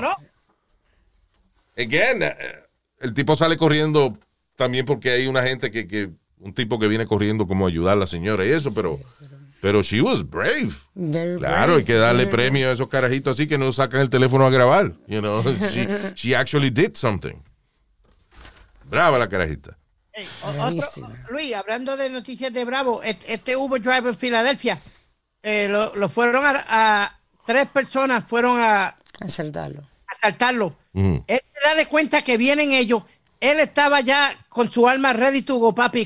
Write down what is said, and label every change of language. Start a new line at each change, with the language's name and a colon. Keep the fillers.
Spanish: no. Again, eh, el tipo sale corriendo también porque hay una gente que, que un tipo que viene corriendo como a ayudar a la señora y eso, pero, pero
English: she was brave. Very
Spanish: Claro,
English: brave,
Spanish: hay que darle sí. premio a esos carajitos así que no sacan el teléfono a grabar.
English: You know, she, she actually did something.
Spanish: Brava la carajita. Hey, o- otro- Bravísimo. Luis, hablando de noticias de Bravo, et- este Uber Drive en Filadelfia, eh, lo, lo fueron a, a- tres personas fueron a Asaltarlo. asaltarlo. Ujú. Él se da de cuenta que vienen ellos. Él estaba ya con su alma
English: ready to go,
Spanish: papi.